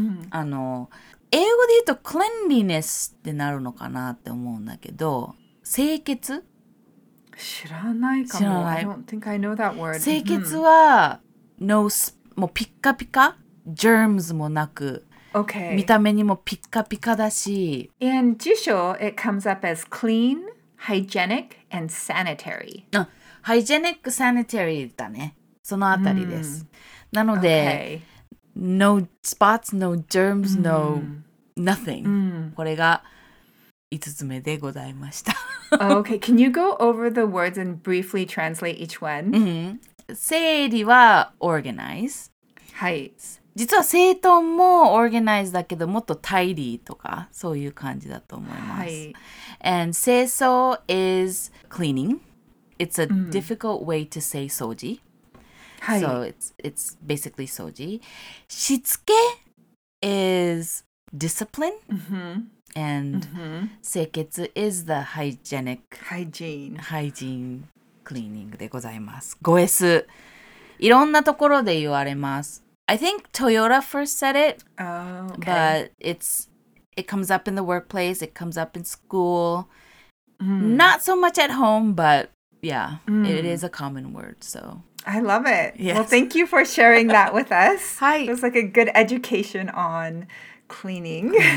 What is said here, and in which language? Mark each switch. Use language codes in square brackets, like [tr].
[ja] あの、英語で言うと cleanliness ってなるのかなって思うんだけど、清潔？知らないかも。知らない。 [en] I don't think I know that word. [ja] 清潔は、no, もうピッカピカ germs もなく、 [en] Okay. [ja] 見た目にもピッカピカだし。 [en] In 辞書, it comes up as clean, hygienic, and sanitary. Hygienic, sanitary [ja] だね。そのあたりです。なので、 [en] okay. no spots, no germs, no nothing. [ja] これが5つ目でございました。 [en] okay, can you go over the words and briefly translate each one? [ja] 整理は organize. はい。実は整頓も organize だけどもっと tidy とかそういう感じだと思います。はい、 [en] And 清掃 is cleaning. It's a difficult way to say 掃除。 [ja] はい、 [en] so it's basically 掃除。しつけ is discipline.、 Mm-hmm. And 清潔 is the hygienic. Hygiene [ja] cleaning でございます。5S。いろんなところで言われます。 [en] I think Toyota first said it, oh, okay. but it comes up in the workplace, it comes up in school, not so much at home, but yeah, it is a common word, so. I love it. Yes. Well, thank you for sharing that with us. [ja] はい。 [en] It was like a good education on cleaning.